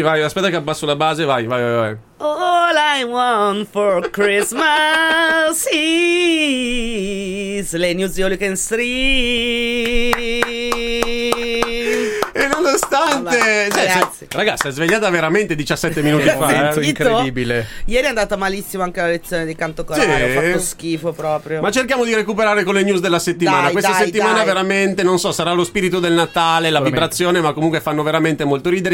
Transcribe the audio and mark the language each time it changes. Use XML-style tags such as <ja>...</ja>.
<it>vai, aspetta che abbasso la base, vai.</it> <en>All I want for Christmas is le news you can stream.</en> <it>E nonostante ragazzi, è svegliata veramente 17 minuti fa, incredibile. Ieri è andata malissimo anche la lezione di canto corale, ho fatto schifo proprio. Ma cerchiamo di recuperare con le news della settimana. Questa settimana veramente, non so, sarà lo spirito del Natale, la vibrazione, ma comunque fanno veramente molto ridere.</it>